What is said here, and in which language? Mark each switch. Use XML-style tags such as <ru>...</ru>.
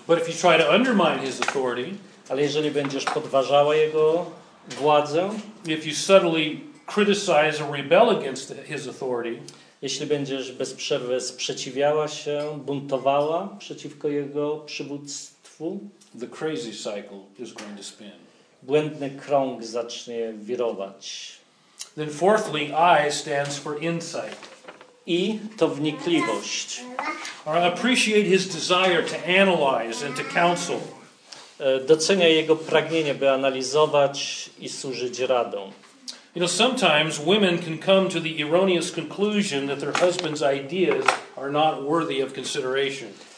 <en>But if you try to undermine his authority,</en> <pl>ale jeżeli będziesz podważała jego władzę,</pl> <en>if you subtly criticize or rebel against his authority,</en> <pl>Jeśli będziesz bez przerwy sprzeciwiała się, buntowała przeciwko jego przywództwu,</pl> <en>the crazy cycle is going to spin.</en> <pl>Błędny krąg zacznie wirować.</pl> <en>Then fourthly, I stands for insight.</en> <pl>I to wnikliwość.</pl> <en>I appreciate his desire to analyze and to counsel.</en> <pl>Docenia jego pragnienie, by analizować i służyć radą.</pl> <en>You know, sometimes women can come to the erroneous conclusion that their husband's ideas are not worthy of consideration.</en>